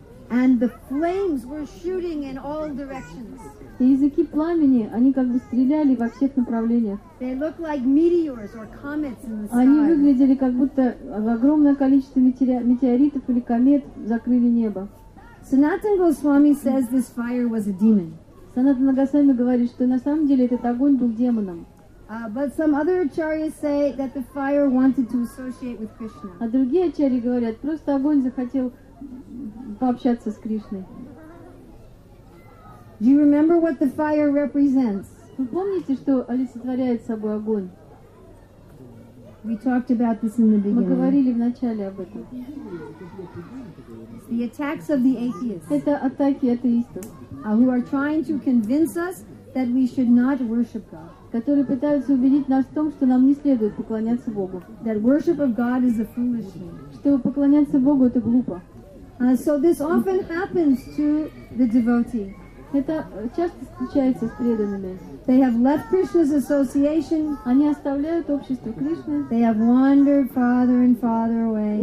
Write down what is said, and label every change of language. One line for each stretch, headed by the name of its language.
English: And the flames were shooting in all directions.
Russian: И языки пламени, они как бы стреляли во всех направлениях.
English: They look like meteors or comets in the sky.
Russian: Они выглядели как будто огромное количество метеоритов или комет закрыли небо.
English: Sanatana Goswami says this fire was a demon.
Russian: Санатана Госвами говорит, что на самом деле этот огонь был демоном.
English: But some other acharyas say that the fire wanted to associate with Krishna.
Russian: А другие ачарьи говорят, просто огонь захотел пообщаться с Кришной.
English: Do you remember what the fire represents?
Russian: Вы помните, что олицетворяет собой огонь?
English: We talked about this in the beginning.
Russian: Мы говорили в начале об этом.
English: The attacks of the atheists.
Russian: Это атаки атеистов.
English: Who are trying to convince us that we should not worship God.
Russian: Которые пытаются убедить нас в том, что нам не следует поклоняться Богу.
English: That worship of God is a foolish thing.
Russian: Что поклоняться Богу это глупо.
English: So this often happens to the devotee.
Russian: Это часто случается с преданными.
English: They have left Krishna's association.
Russian: Они оставляют общество Кришны.
English: They have wandered farther and farther away.